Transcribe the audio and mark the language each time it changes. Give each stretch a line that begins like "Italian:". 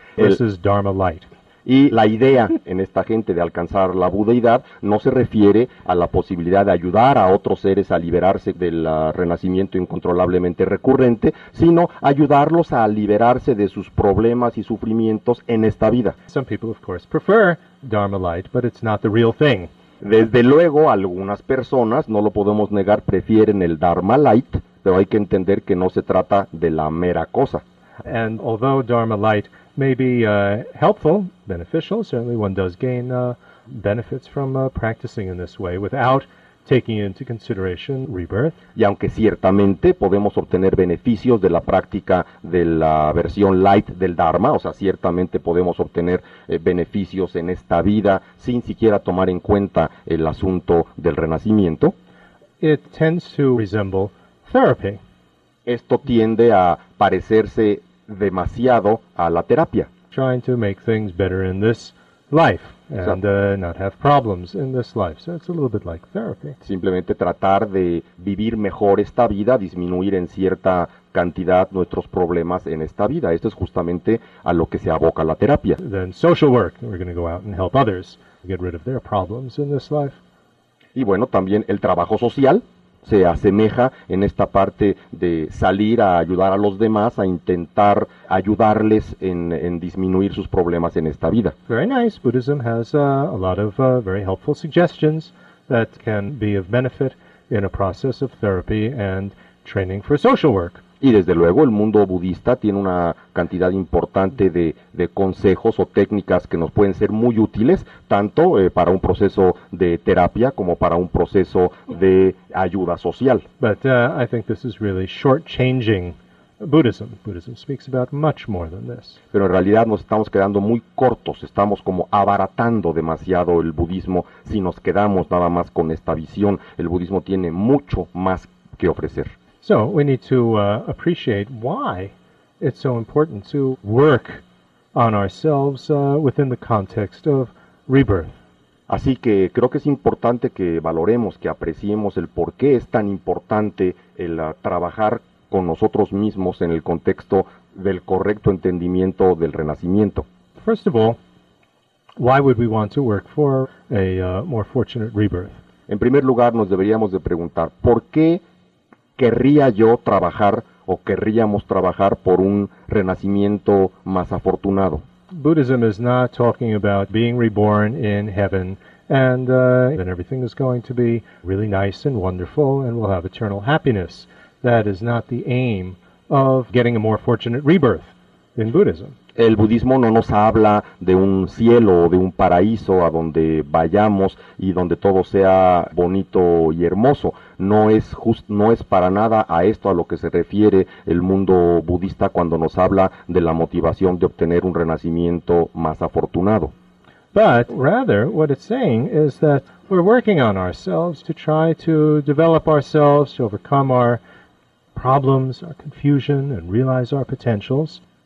English: This is Dharma light.
Spanish: Y la idea en esta gente de alcanzar la budeidad no se refiere a la posibilidad de ayudar a otros seres a liberarse del renacimiento incontrolablemente recurrente, sino ayudarlos a liberarse de sus problemas y sufrimientos en esta vida.
English: Some people, of course, prefer Dharma light, but it's not the real thing.
Spanish: Desde luego, algunas personas, no lo podemos negar, prefieren el Dharma light, pero hay que entender que no se trata de la mera cosa.
English: And although Dharma light may be helpful, beneficial, certainly one does gain benefits from practicing in this way without taking into consideration rebirth.
Spanish: Y aunque ciertamente podemos obtener beneficios de la práctica de la versión light del Dharma, o sea, ciertamente podemos obtener beneficios en esta vida sin siquiera tomar en cuenta el asunto del renacimiento.
English: It tends to resemble therapy.
Spanish: Esto tiende a parecerse demasiado a la terapia.
English: Trying to make things better in this life and not have problems in this life. So it's a little bit like therapy.
Spanish: Simplemente tratar de vivir mejor esta vida, disminuir en cierta cantidad nuestros problemas en esta vida. Esto es justamente a lo que se aboca la terapia.
English: Then social work. We're going to go out and help others get rid of their problems in this life.
Spanish: Y bueno, también el trabajo social se asemeja en esta parte de salir a ayudar a los demás, a intentar ayudarles en disminuir sus problemas en esta vida.
English: Very nice. Buddhism has a lot of very helpful suggestions that can be of benefit in a process of therapy and training for social work.
Spanish: Y desde luego el mundo budista tiene una cantidad importante de consejos o técnicas que nos pueden ser muy útiles, tanto para un proceso de terapia como para un proceso de ayuda social.
English: But I think this is really short-changing Buddhism. Buddhism speaks about much more than this.
Spanish: Pero en realidad nos estamos quedando muy cortos, estamos como abaratando demasiado el budismo si nos quedamos nada más con esta visión. El budismo tiene mucho más que ofrecer.
English: So we need to appreciate why it's so important to work on ourselves within the context of rebirth.
Spanish: Así que creo que es importante que valoremos, que apreciemos el por qué es tan importante el trabajar con nosotros mismos en el contexto del correcto entendimiento del renacimiento.
English: First of all, why would we want to work for a more fortunate rebirth?
Spanish: En primer lugar, nos deberíamos de preguntar por qué querría yo trabajar o querríamos trabajar por un renacimiento más afortunado.
English: Buddhism is not talking about being reborn in heaven and then everything is going to be really nice and wonderful and we'll have eternal happiness. That is not the aim of getting a more fortunate rebirth in Buddhism.
Spanish: El budismo no nos habla de un cielo o de un paraíso a donde vayamos y donde todo sea bonito y hermoso. No es para nada a esto a lo que se refiere el mundo budista cuando nos habla de la motivación de obtener un renacimiento más afortunado.
English: But rather, what it's saying is that we're working on ourselves to try to develop ourselves, to overcome our problems, our confusion, and realize our potentials.